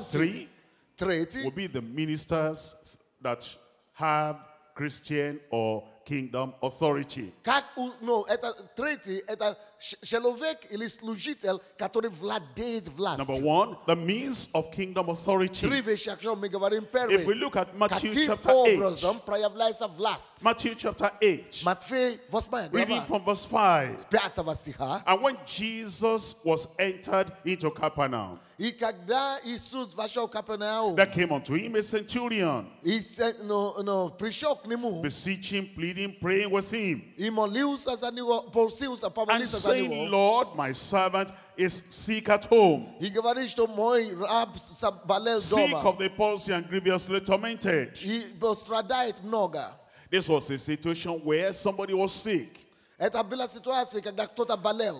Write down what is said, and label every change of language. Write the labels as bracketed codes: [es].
[en] three, will be the ministers that have Christian or kingdom authority. [ru] Как ну это третий это человек или служитель, который владеет властью. [en] Number one, the means of kingdom authority. [ru] Три вещи, о которых мы говорим первые. [en] If we look at Matthew chapter 8, [ru] проявляется власть. [en] Matthew chapter 8. [ru] Матфей восьмая глава. [en] Reading from verse 5. [ru] С пятого стиха. [en] And when Jesus was entered into Capernaum. [ru] И когда Иисус вошел в Капернаум, [en] there came unto him a centurion. He said, no, [ru] пришел к нему. [en] Beseeching, pleading, praying with him. [ru] И молился за него, просился, помолился за него. [en] And saying, Lord, my servant is sick at home. He [ru] говорит, что мой раб болел дома. [en] Sick of the palsy and grievously tormented. [ru] И пострадает много. [en] This was a situation where somebody was sick. [ru] Это была ситуация, когда кто-то болел.